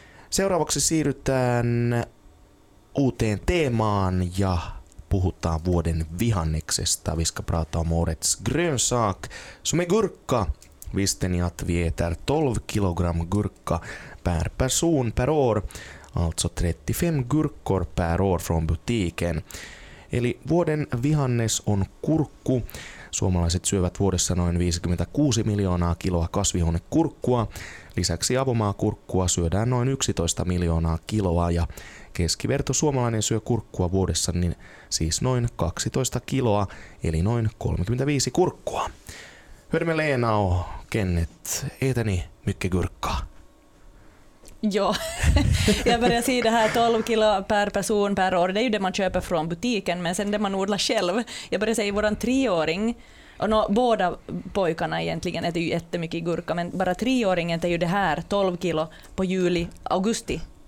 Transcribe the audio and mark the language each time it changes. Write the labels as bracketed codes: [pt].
[fi] Seuraavaksi siirrytään uuteen teemaan ja puhutaan vuoden vihanneksesta. [sv] Vi ska prata om årets grönsak, som är gurka. Visste ni att vi äter 12 kilogram gurka per person per år? Alltså 35 gurkor per år från butiken. [fi] Eli vuoden vihannes on kurkku. Suomalaiset syövät vuodessa noin 56 miljoonaa kiloa kasvihuonekurkkua. Lisäksi avomaakurkkua syödään noin 11 miljoonaa kiloa ja keskiverto suomalainen syö kurkkua vuodessa niin siis noin 12 kiloa, eli noin 35 kurkkua. [sv] Hör med Lena och Kenneth, äter ni mycket gurka? Ja, jag börjar säga det här 12 kilo per person per år. Det är ju det man köper från butiken, men sen det man odlar själv. Jag börjar säga våran treåring, och båda pojkarna egentligen äter ju jättemycket gurka, men bara treåringen är ju det här 12 kilo på juli, augusti.